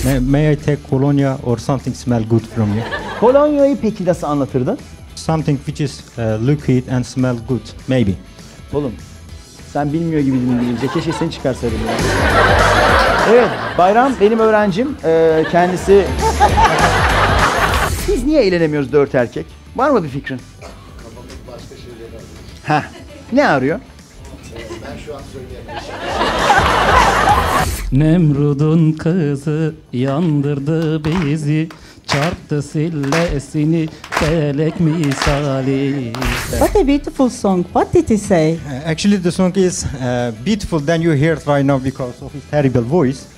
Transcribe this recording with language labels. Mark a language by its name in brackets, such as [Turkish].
[English] May I take colonia or something smell good from you? [Turkish] Kolonyayı peki nasıl anlatırdın? [English] Something which is liquid and smell good, maybe. [Turkish] Oğlum, sen bilmiyor gibi dinleyince keşke seni çıkarsaydım. Evet, Bayram benim öğrencim, kendisi... Biz niye eğlenemiyoruz dört erkek? Var mı bir fikrin? Kafamız başka şeyler arıyor. Heh, ne arıyor? Ben şu an söyleyemem. Nemrud'un kızı yandırdı bizi, çarptı sillesini felek misali. [English] What a beautiful song. What did he say? Actually the song is beautiful than you hear it right now because of his terrible voice.